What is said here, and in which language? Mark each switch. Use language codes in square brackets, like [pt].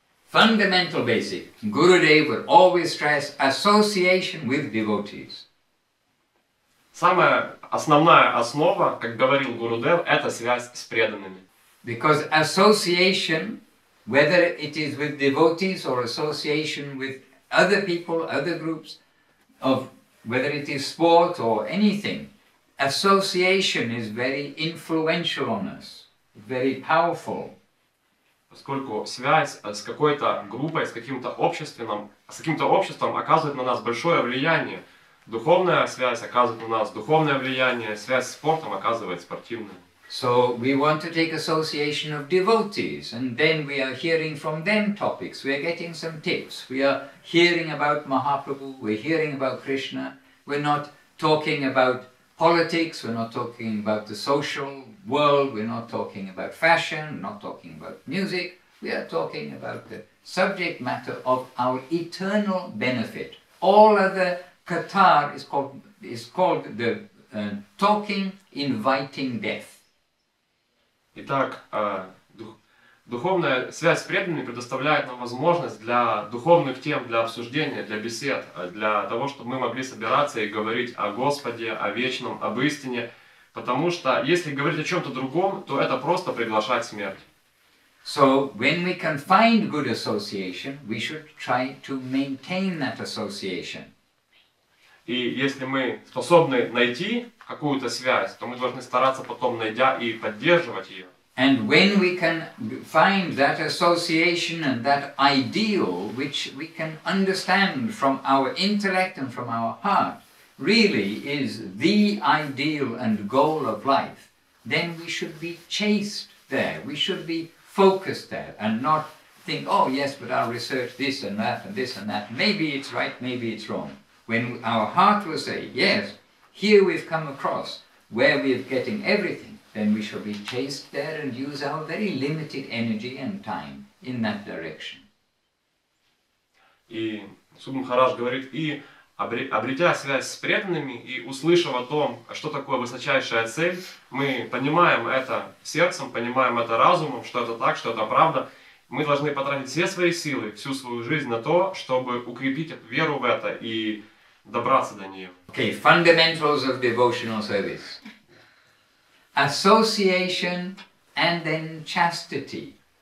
[en] Fundamental basic, Gurudev would always stress association with devotees. [ru] Самая основная основа, как говорил Гурудев, это связь с преданными. [en] Because association, whether it is with devotees or association with other people, other groups, of whether it is sport or anything, association is very influential on us, very powerful. [ru] Поскольку связь с какой-то группой, с каким-то обществом оказывает на нас большое влияние. Духовная связь оказывает на нас духовное влияние, связь с спортом оказывает спортивное. [en] So we want to take association of devotees, and then we are hearing from them topics, we are getting some tips, we are hearing about Mahaprabhu, we're hearing about Krishna, we're not talking about politics, we're not talking about the social world, we're not talking about fashion, we're not talking about music, we are talking about the subject matter of our eternal benefit. All other Qatar is called the talking, inviting death. [ru] Итак, духовная связь с преданными предоставляет нам возможность для духовных тем, для обсуждения, для бесед, для того, чтобы мы могли собираться и говорить о Господе, о вечном, об истине. Потому что если говорить о чем-то другом, то это просто приглашать смерть. [en] So when we can find good association, we should try to maintain that association. [ru] И если мы способны найти какую-то связь, то мы должны стараться потом найдя и поддерживать ее. [en] And when we can find that association and that ideal, which we can understand from our intellect and from our heart, really is the ideal and goal of life, then we should be chased there, we should be focused there, and not think, oh yes, but I'll research this and that and this and that, maybe it's right, maybe it's wrong. When our heart will say, yes, here we've come across where we're getting everything, then we shall be chased there and use our very limited energy and time in that direction. [ru] И Суд Махарадж говорит, и обретя связь с преданными и услышав о том, что такое высочайшая цель, мы понимаем это сердцем, понимаем это разумом, что это так, что это правда. Мы должны потратить все свои силы, всю свою жизнь на то, чтобы укрепить веру в это и добраться до нее. [en] Okay, fundamentals of devotional service. Association and then chastity.